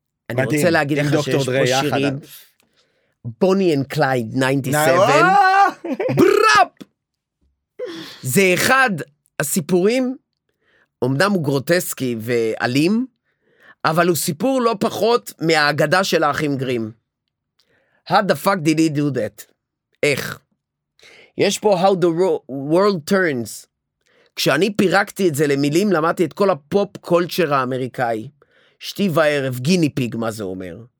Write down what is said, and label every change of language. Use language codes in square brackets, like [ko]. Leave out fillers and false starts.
[he] אני רוצה להגיד לך שיש פה שירים. בוני אנד קלייד 97. בראפ! זה אחד הסיפורים, אומנם הוא גרוטסקי ואלים, אבל הוא סיפור לא פחות מהאגדה של האחים גרים. [en] How the fuck did he do that? [he] איך? יש פה [en] How the World Turns. [he] כשאני פירקתי את זה למילים, למדתי את כל הפופ קולצ'ר האמריקאי. שתי וערב, גיני פיג, מה זה אומר.